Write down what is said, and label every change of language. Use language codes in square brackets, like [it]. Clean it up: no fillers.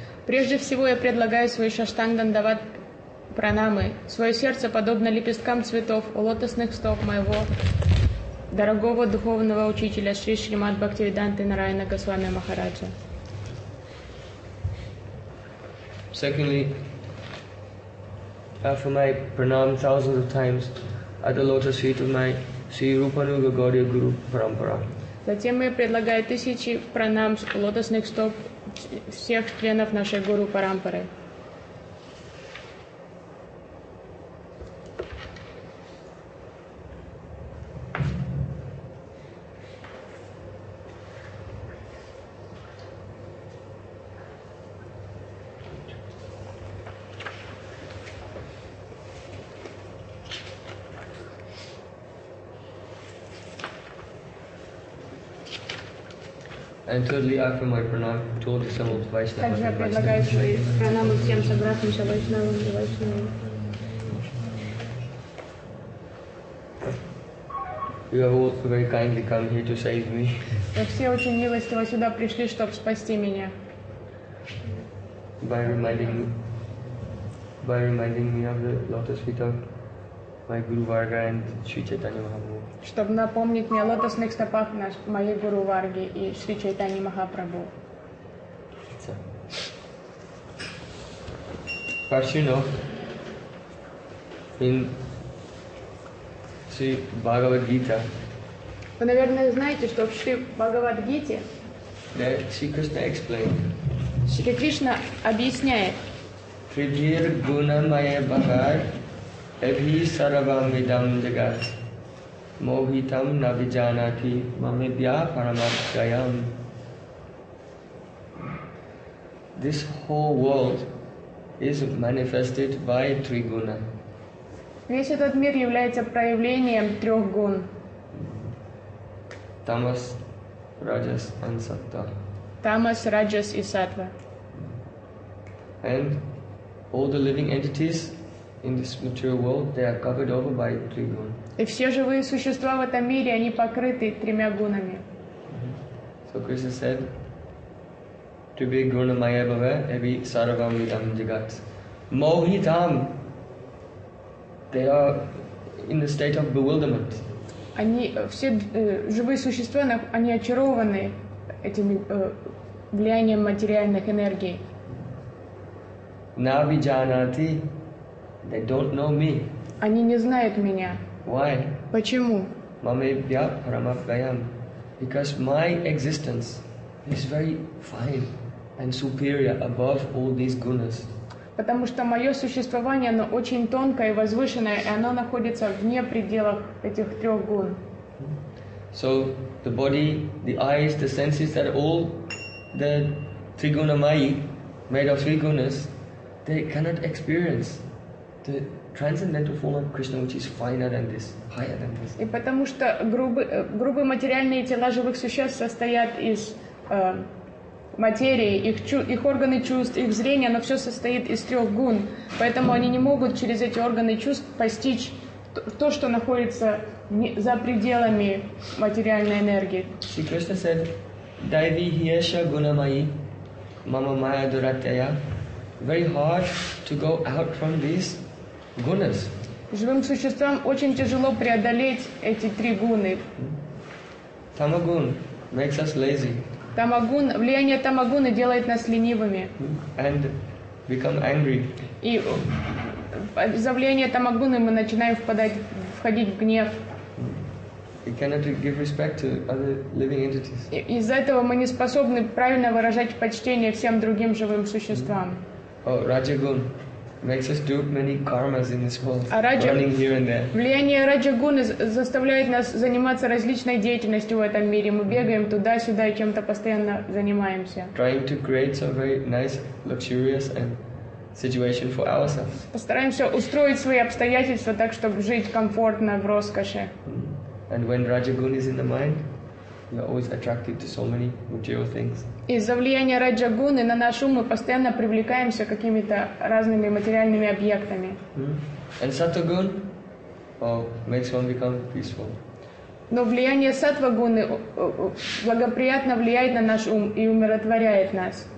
[ru] Прежде всего я предлагаю свой шаштанг дандават пранамы, свое сердце подобно лепесткам цветов у лотосных стоп моего дорогого духовного учителя Шри Шримад Бхактивиданты Нараяна Госвами Махараджа. [en] Secondly, offer my pranam thousands of times at the lotus feet of my Sri Rupanuga Gaudiya Guru Parampara. [ru] Затем я предлагаю тысячи пранам с лотосных стоп всех членов нашей Гуру Парампары. [en] And thirdly, after my pranam, told the some of the Vaishnavas. You have all very kindly come here to save me. [ru] Все очень милостиво сюда пришли, чтобы спасти меня. [en] By reminding me of the lotus feet of my Guru Varga and Sri Chaitanya Mahaprabhu. [ru] Чтобы напомнить мне о лотосных стопах наш, моей Гуру Варги и Шри Чайтани Махапрабху. [en] First, you know, in Sri Bhagavad Gita, [ru] вы, наверное, знаете, что в Шри Бхагавад Гите [en] Шри Кришна explained. [ru] Шри Кришна объясняет. [sa] Тридхир Гуна Майя Бхагар Эбхи Сарабамидам Джагат Mohitam Navijanati Mamidya Paramatyayam. [en] This whole world is manifested by Triguna. [ru] Весь этот мир является проявлением трех гун. [en] Tamas, Rajas and Sattva. [ru] Tamas, Rajas и Sattva. [en] And all the living entities in this material world, they are covered over by three gunas. [ru] И все живые существа в этом мире, они покрыты тремя гунами. [en] So Krishna said, [sa] to be guna maya bhava, evi sarvam idam jagat. Mohitam. [en] They are in the state of bewilderment. [ru] Они все живые существа, они очарованы этим влиянием материальных энергий. [sa] Navi janati, [en] they don't know me. [ru] Они не знают меня. [en] Why? [ru] Почему? [sa] Mame bhya parama bhayam. [en] Because my existence is very fine and superior above all these gunas. Потому что мое существование, оно очень тонкое и возвышенное, и оно находится вне пределов этих трех гун. So the body, the eyes, the senses, that all the triguna mayi, made of three gunas, they cannot experience the transcendental form of Krishna, which is finer than this, higher than this. [ru] И потому что грубые материальные тела живых существ состоят из материи, их органы чувств, их зрение, оно все состоит из трех гун. Поэтому они не могут через эти органы чувств постичь то, что находится за пределами материальной энергии. [sa] Shri Krishna said, Daivi hiyesha guna mayi, mama maya duratyaya. [en] Very hard to go out from these gunas. [ru] Живым существам очень тяжело преодолеть эти три гуны. [en] Tamagun makes us lazy. [ru] Тамагун, влияние тамагуны делает нас ленивыми. [en] And become angry. [ru] И за влияние тамагуны мы начинаем входить в гнев. [en] We cannot give respect to other living entities. [ru] Из-за этого мы не способны правильно выражать почтение всем другим живым существам. [en] Oh, Rajagun makes us do many karmas in this world, running here and there. [ru] Влияние Раджагуны заставляет нас заниматься различной деятельностью в этом мире. Мы бегаем туда-сюда и чем-то постоянно занимаемся. [en] Trying to create some very nice, luxurious and situation for ourselves. [ru] Постараемся устроить свои обстоятельства так, чтобы жить комфортно, в роскоши. [en] And when Rajagun is in the mind, you're always attracted to so many material things. [ru] Из-за влияния раджа-гуны на наш ум мы постоянно привлекаемся какими-то разными материальными объектами. [en] And сатва-гун, makes one become peaceful. [ru] Но влияние сатва-гуны благоприятно влияет на наш ум и умиротворяет нас.